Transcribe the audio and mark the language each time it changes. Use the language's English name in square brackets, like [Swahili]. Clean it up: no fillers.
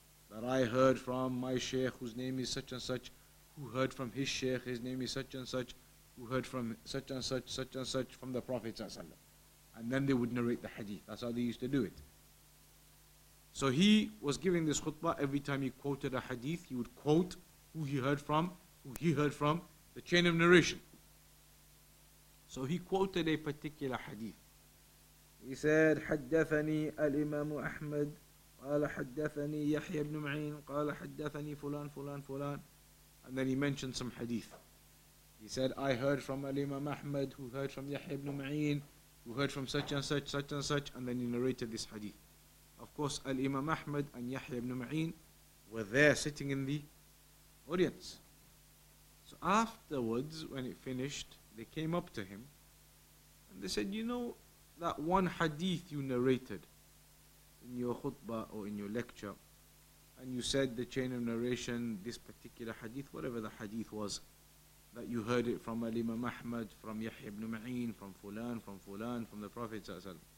[English] That I heard from my sheikh, whose name is such and such, who heard from his sheikh, his name is such and such, who heard from such and such, from the Prophet ﷺ. And then they would narrate the hadith. That's how they used to do it. So he was giving this khutbah. Every time he quoted a hadith, he would quote who he heard from, the chain of narration. So he quoted a particular hadith. He said, [Arabic] حدثني الإمام أحمد قال حدثني يحيى بن معين قال حدثني فلان فلان فلان. [English] And then he mentioned some hadith. He said, I heard from Al-Imam Ahmad, who heard from Yahya ibn Ma'in, who heard from such and such, such and such, and then he narrated this hadith. Of course, Al-Imam Ahmad and Yahya ibn Ma'in were there sitting in the audience. So afterwards, when it finished, they came up to him and they said, you know, that one hadith you narrated in your khutbah or in your lecture, and you said the chain of narration, this particular hadith, whatever the hadith was, that you heard it from Al-Imam Ahmad, from Yahya ibn Ma'in, from Fulan, from the Prophet ﷺ.